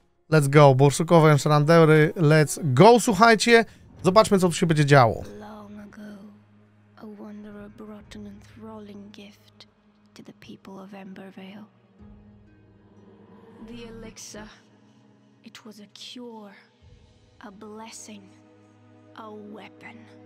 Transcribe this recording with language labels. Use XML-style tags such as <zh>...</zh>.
<en>Let's go, borsukowe Enshroudery, let's go.</en> <pl>Słuchajcie, zobaczmy, co tu się będzie działo.</pl> <en>Long ago, a wanderer brought an enthralling gift to the people of Embervale. The elixir. It was a cure, a blessing, a weapon.</en>